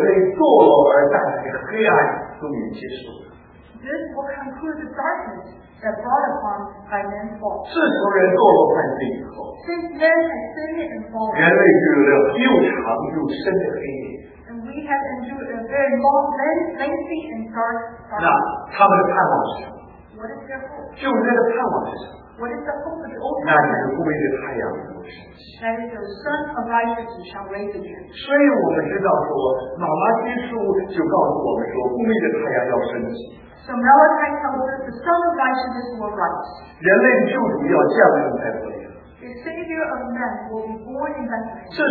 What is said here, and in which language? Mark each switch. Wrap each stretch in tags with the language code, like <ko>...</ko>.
<zh>因着人类堕落而带来的黑暗终于结束。</zh> <en>This will conclude the darkness that brought upon by man's fall.</en> <zh>自从人堕落犯罪以后,</zh> <en>since man has sinned and fallen,</en> <zh>人类遇到了又长又深的黑暗。</zh> <en>We have endured a very long, lengthy and dark time.</en> <zh>那他们的盼望是什么？</zh> <en>What is their hope?</en> <zh>旧约的盼望是什么？</zh> <en>What is the hope of the old man?</en> <zh>那就是公义的太阳要升起。</zh> <en>That is the sun of righteousness shall rise again.</en> <zh>所以我们知道说，马拉基书就告诉我们说， 公义的太阳要升起。</zh> <en>So Malachi tells us the sun of righteousness will rise.</en> <zh>人类救主要降临在这里。</zh> <en>The Savior of men will be born in Bethlehem.</en>